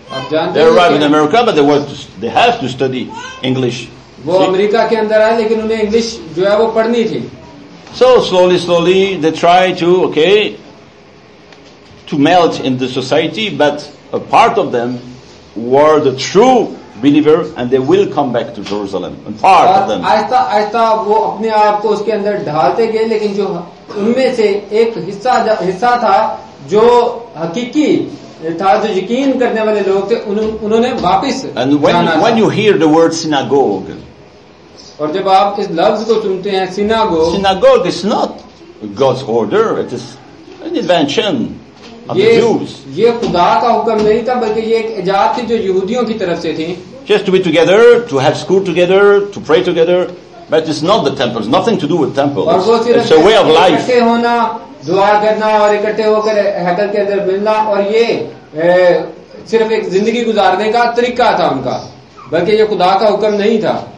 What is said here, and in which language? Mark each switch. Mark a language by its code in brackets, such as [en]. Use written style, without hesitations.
[en] They arrive in America, but they have to study English. [hi] वो America के अंदर आए लेकिन उन्हें इंग्लिश जो है वो पढ़नी थी. [en] So slowly they try to melt in the society, but a part of them were the true believer and they will come back to Jerusalem. And part of them. [hi] आहिस्ता वो अपने आप को उसके अंदर ढालते गए लेकिन जो उनमें से एक हिस्सा था जो हकीकी था जो यकीन करने वाले लोग थे उन्होंने वापिस [en] when you hear the word synagogue. [hi] और जब आप इस लफ्ज को सुनते हैं synagogue. [en] Synagogue is not God's order, it is an invention. [hi] ये खुदा का हुक्म नहीं था बल्कि ये एक इजाद थी जो यहूदियों की तरफ से थी. [en] Just to be together, to have school together, to pray together, but it's not the temple. It's nothing to do with temple. It's a way of life. [hi] इकट्ठे होना, दुआ करना और इकट्ठे होकर हैकल के अंदर मिलना और ये सिर्फ एक जिंदगी गुजारने का तरीका था उनका, बल्कि ये खुदा का हुक्म नहीं था.